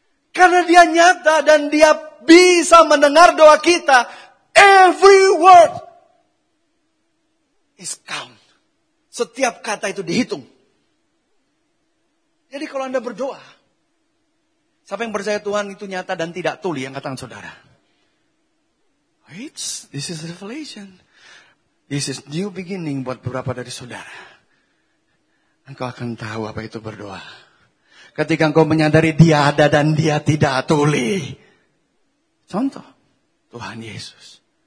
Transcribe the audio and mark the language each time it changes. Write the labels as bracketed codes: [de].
[id] Karena dia nyata dan dia bisa mendengar doa kita. [en] Every word is count. [id] Setiap kata itu dihitung. Jadi kalau Anda berdoa, siapa yang percaya Tuhan itu nyata dan tidak tuli, yang katakan saudara. [en] Wait, this is a revelation. This is new beginning [id] buat beberapa dari saudara. Engkau akan tahu apa itu berdoa. Ketika engkau menyadari dia ada dan dia tidak tuli. Contoh, Tuhan Yesus.